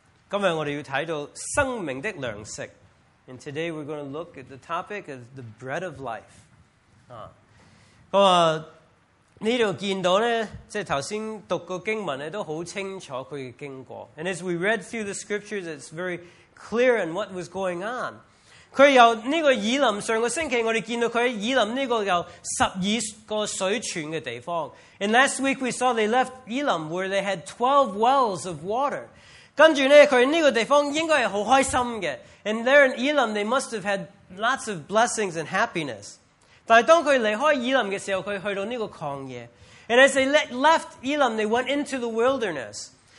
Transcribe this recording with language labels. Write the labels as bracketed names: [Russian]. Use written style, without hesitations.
[Cantonese] 今日我哋要睇到生命的粮食。 [English] And today we're going to look at the topic of the bread of life. [Cantonese] 啊，咁啊，呢度见到咧，即系头先读个经文咧，都好清楚佢嘅经过。 [English] And as we read through the scriptures, it's very clear in what was going on. [Cantonese] 佢由呢个以林，上个星期我哋见到佢喺以林呢个有十二个水泉嘅地方。 [English] And last week we saw they left Elam where they had 12 wells of water. [Cantonese] 跟住呢，佢呢个地方应该係好开心嘅。 [English] And there in Elam, they must have had lots of blessings and happiness. [Cantonese] 但係当佢离开以林嘅时候，佢去到呢个旷野。 [English] And as they left Elam, they went into the wilderness.